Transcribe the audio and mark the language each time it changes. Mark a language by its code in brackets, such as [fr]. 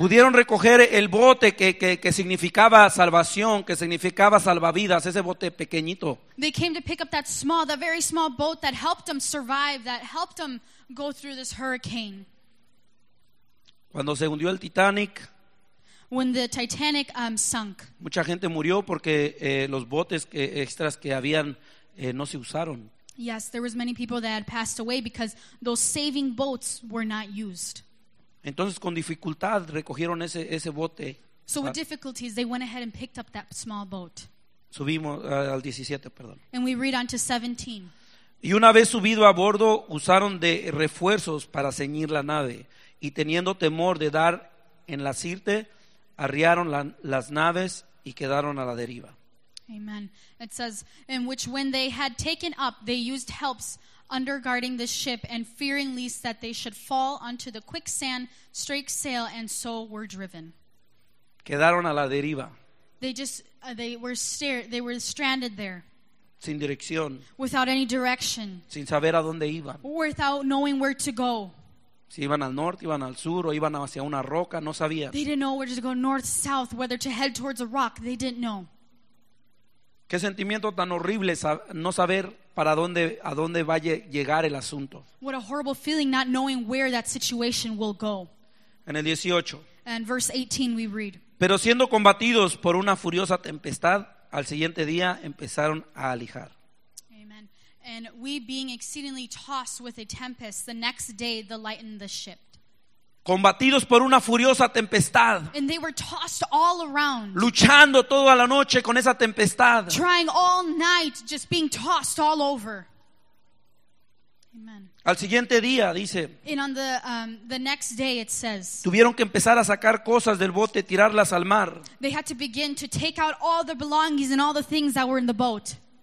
[es] Pudieron recoger el bote que significaba salvación, que significaba salvavidas, ese bote pequeñito. [en] They came to pick up that small, that very small boat that helped them survive, that helped them go through this hurricane. [es] Cuando se hundió el Titanic. [en] When the Titanic sunk. [es] Mucha gente murió porque los botes extras que habían no se usaron. [en] Yes, there was many people that had passed away because those saving boats were not used. [es] Entonces, con dificultad, recogieron ese bote. [en] So with difficulties, they went ahead and picked up that small boat. [es] Subimos al 17, perdón. [en] And we read on to 17. [es] Y una vez subido a bordo, usaron de refuerzos para ceñir la nave. Y teniendo temor de dar en la sirte, arriaron las naves y quedaron a la deriva. [en] Amen. It says, in which when they had taken up, they used helps under guarding the ship and fearing least that they should fall onto the quicksand, strake sail, and so were driven. [es] Quedaron a la deriva. [en] They were stranded there. [es] Sin dirección. [en] Without any direction. [es] Sin saber a dónde iban. [en] Without knowing where to go. [es] Si iban al norte, iban al sur, o iban hacia una roca, no sabían. [en] They didn't know whether to go north, south, whether to head towards a rock. They didn't know. [es] Qué sentimiento tan horrible no saber para dónde a dónde va a llegar el asunto. [en] What a horrible feeling not knowing where that situation will go. [es] En el 18. [en] And verse 18 we read. [es] Pero siendo combatidos por una furiosa tempestad, al siguiente día empezaron a alijar. [en] Amen. And we being exceedingly tossed with a tempest, the next day they lightened the ship. [es] Combatidos por una furiosa tempestad. [en] And they were tossed all around. [es] Luchando toda la noche con esa tempestad. [en] Trying all night, just being tossed all over. Amen. [es] Al siguiente día, dice. [en] And on the next day, it says. [es] Tuvieron que empezar a sacar cosas del bote, tirarlas al mar. [en] They had to begin to take out all their belongings and all the things that were in the boat.